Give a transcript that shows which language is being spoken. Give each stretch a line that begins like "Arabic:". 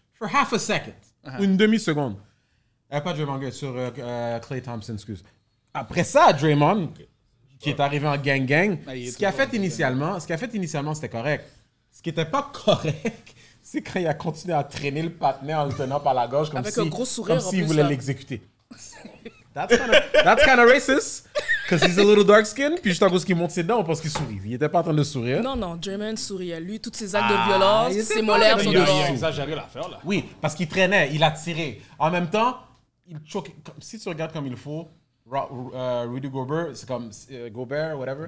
English: For half a second.
French: Uh-huh. Une demi-seconde. Pas Draymond Green, sur Klay Thompson, excuse. Après ça, Draymond, qui est arrivé en gang, ce qu'il a fait initialement, c'était correct. Ce qui n'était pas correct, c'est quand il a continué à traîner le partner en le tenant par la gorge comme avec si, un gros sourire, comme s'il voulait l'exécuter.
English: That's kind of racist, because he's a little dark skin.
French: Puis juste à cause qu'il monte ses dents, on pense qu'il sourit. Il n'était pas en train de sourire. Non, Draymond souriait. Lui, tous ses actes de violence, ses molaires sont dehors. Il a exagéré l'affaire, là. Oui, parce qu'il traînait, il a tiré. En même temps, il choque. Si tu regardes comme il faut. Rudy Gobert, c'est comme Gobert, whatever.